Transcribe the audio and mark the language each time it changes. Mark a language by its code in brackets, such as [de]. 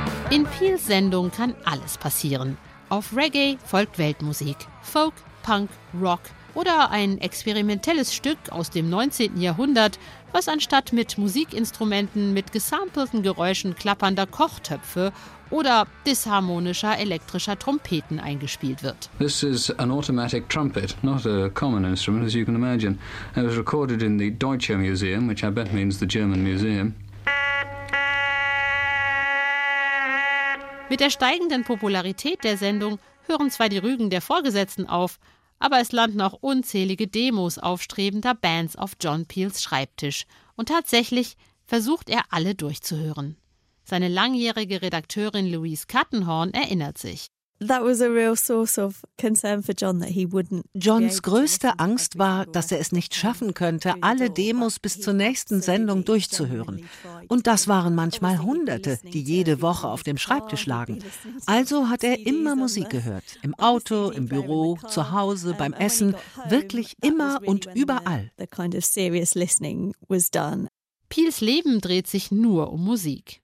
[de] In Peels Sendung kann alles passieren. Auf Reggae folgt Weltmusik, Folk, Punk, Rock oder ein experimentelles Stück aus dem 19. Jahrhundert, was anstatt mit Musikinstrumenten mit gesampelten Geräuschen klappernder Kochtöpfe oder disharmonischer elektrischer Trompeten eingespielt wird. [en] This is an automatic trumpet, not a common instrument, as you can imagine. It was recorded in the Deutsche Museum, which I bet means the German Museum. [de] Mit der steigenden Popularität der Sendung hören zwar die Rügen der Vorgesetzten auf, aber es landen auch unzählige Demos aufstrebender Bands auf John Peels Schreibtisch. Und tatsächlich versucht er, alle durchzuhören. Seine langjährige Redakteurin Louise Kattenhorn erinnert sich. [en] That was a real source of concern for John, that he wouldn't. [de] Johns größte Angst war, dass er es nicht schaffen könnte, alle Demos bis zur nächsten Sendung durchzuhören. Und das waren manchmal Hunderte, die jede Woche auf dem Schreibtisch lagen. Also hat er immer Musik gehört. Im Auto, im Büro, zu Hause, beim Essen. Wirklich immer und überall. [en] The kind of serious listening was done. [de] Peels Leben dreht sich nur um Musik.